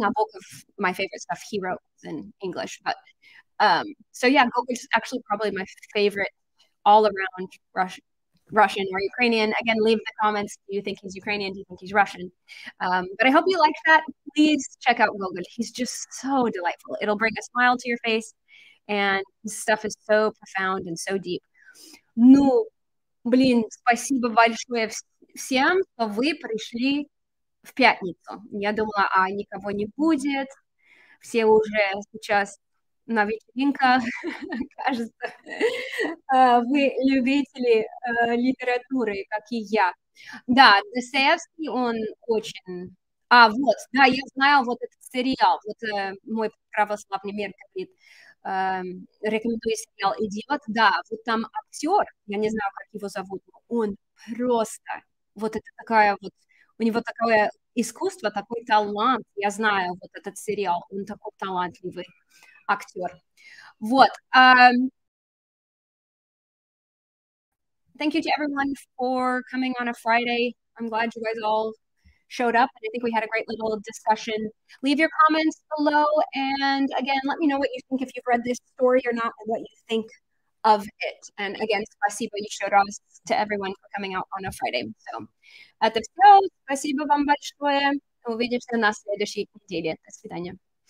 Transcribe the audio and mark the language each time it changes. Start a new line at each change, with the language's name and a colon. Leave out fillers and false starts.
English: Nabokov, my favorite stuff he wrote was in English. But so yeah, Gogol is actually probably my favorite all around Russian or Ukrainian. Again, leave the comments. Do you think he's Ukrainian? Do you think he's Russian? But I hope you like that. Please check out Gogol. He's just so delightful. It'll bring a smile to your face. And his stuff is so profound and so deep.
Russian: Ну, блин, спасибо большое всем, что вы пришли в пятницу. Я думала, а никого не будет. Все уже сейчас на вечеринках, кажется, вы любители литературы, как и я. Да, Достоевский, он очень... А, вот, да, я знаю вот этот сериал, вот мой православный мир говорит, рекомендую сериал «Идиот», да, вот там актер, я не знаю, как его зовут, он просто, вот это такая вот, у него такое искусство, такой талант, я знаю вот этот сериал, он такой талантливый актер. Вот.
English: Thank you to everyone for coming on a Friday. I'm glad you guys all showed up, and I think we had a great little discussion. Leave your comments below, and again, let me know what you think, if you've read this story or not, and what you think of it. And again,
Russian: спасибо,
English: you showed us to everyone for coming out on a Friday.
Russian: So, это все. Спасибо вам большое. Увидимся на следующей неделе. До свидания.